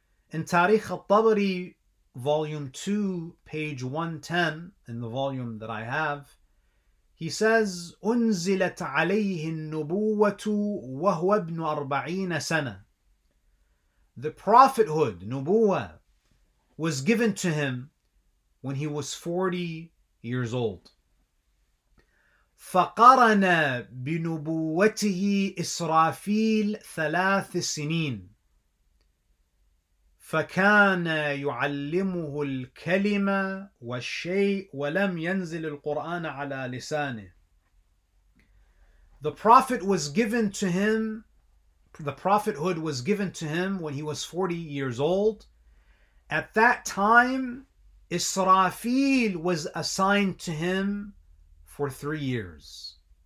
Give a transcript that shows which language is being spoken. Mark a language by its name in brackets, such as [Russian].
[English] In Tariq al-Tabari, volume 2, page 110, in the volume that I have, he says, [Arabic] unzilat alayhi nubuwatu wa huwa ibn 40 sana. [English] The prophethood, Nubuwa, was given to him when he was 40 years old. [Arabic] فقرن بنبوته إسرافيل ثلاث سنين فكان يعلمه الكلمة والشيء ولم ينزل القرآن على لسانه. [English] The prophet was given to him, the prophethood was given to him when he was 40 years old. At that time, Israfil was assigned to him for 3 years.